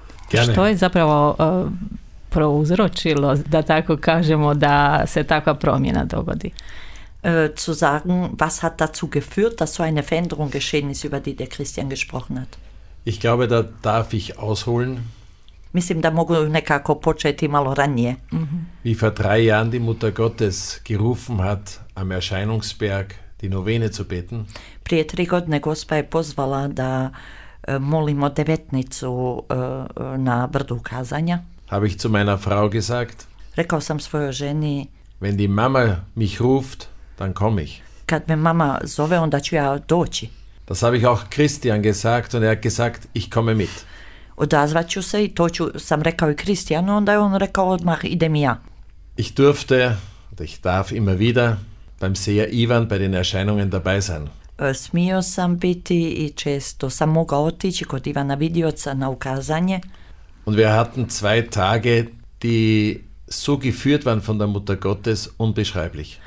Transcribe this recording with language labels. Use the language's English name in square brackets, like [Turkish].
[Croatian] Gerne. Što je zapravo prouzročilo, da tako kažemo, da se takva promjena dogodi? [German] Zu sagen, was hat dazu geführt, dass so eine Veränderung geschehen ist, über die der Christian gesprochen hat? Ich glaube, da darf ich ausholen. [Croatian] Mislim da mogu nekako početi malo ranije. [German] Wie vor 3 Jahren die Mutter Gottes gerufen hat, am Erscheinungsberg die Novene zu beten. [Croatian] Prije 3 godine Gospa je pozvala da molimo devetnicu na brdu kazanja. [German] Habe ich zu meiner Frau gesagt. [Croatian] Rekao sam svojoj ženi. [German] Wenn die Mama mich ruft, dann komme ich. [Croatian] Kad me mama zove, onda ću ja doći. [German] Das habe ich auch Christian gesagt und er hat gesagt, ich komme mit. [Croatian] Odazvat ću se i to ću, sam rekao i Kristijanu, onda je on rekao odmah, idem i ja. [German] Ich durfte, ich darf immer wieder beim Seher Ivan bei den Erscheinungen dabei sein. [Croatian] Smio sam biti i često sam mogao otići kod Ivana Vidioca na ukazanje. [German] Und wir hatten 2 Tage, die so geführt waren von der Mutter Gottes, unbeschreiblich.